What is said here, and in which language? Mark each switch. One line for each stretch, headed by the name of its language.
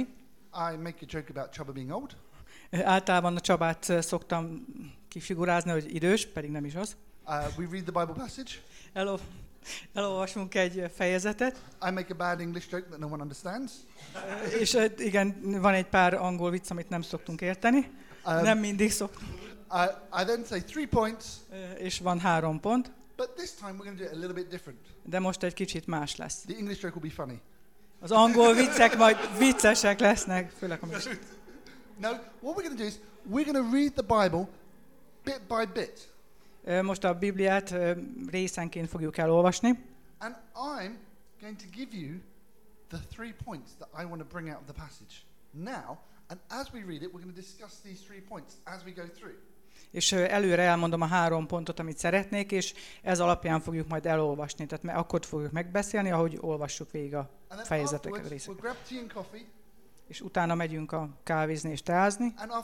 English: I make a joke about Chubba being old.
Hungarian: Általában a Csabát szoktam kifigurázni, hogy idős, pedig nem is az.
English: We read the Bible passage.
Hungarian: Elolvasunk egy fejezetet.
English: I make a bad English joke that no one understands.
Hungarian: És igen, van egy pár angol vicc, amit nem szoktunk érteni. Nem mindig szoktunk.
English: I then say 3 points.
Hungarian: És van 3 pont.
English: But this time we're going to do it a little bit different.
Hungarian: De most egy kicsit más lesz.
English: The English joke will be funny.
Hungarian: Az angol viccek majd viccesek lesznek, főleg a most.
English: No, what we're going to do is we're going to read the Bible bit by bit.
Hungarian: Most a Bibliát részenként fogjuk elolvasni.
English: And I'm going to give you the 3 points that I want to bring out of the passage. Now, and as we read it, we're going to discuss these 3 points as we go through.
Hungarian: És előre elmondom a 3 pontot, amit szeretnék, és ez alapján fogjuk majd elolvasni. Tehát akkor fogjuk megbeszélni, ahogy olvassuk végig a fejezetek részeket. We'll és utána megyünk a kávézni és teázni.